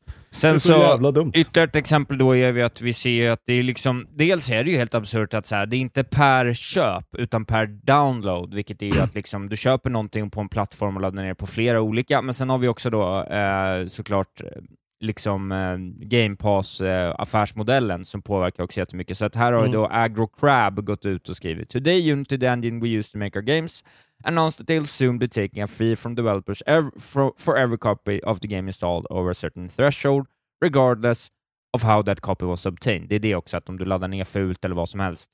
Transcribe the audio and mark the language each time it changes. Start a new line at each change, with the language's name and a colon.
Swedish: sen så ytterligare ett exempel då är att vi ser att det är liksom, dels är det ju helt absurt att så här, det är inte per köp utan per download, vilket är ju att liksom du köper någonting på en plattform och laddar ner på flera olika, men sen har vi också då såklart liksom Game Pass affärsmodellen som påverkar också jättemycket. Så att här har ju då Agro Crab gått ut och skrivit:
English: today Unity, the engine we use to make our games, announced that they'll soon be taking a fee from developers for every copy of the game installed over a certain threshold, regardless of how that copy was obtained.
Swedish: Det är det också, att om du laddar ner fult eller vad som helst.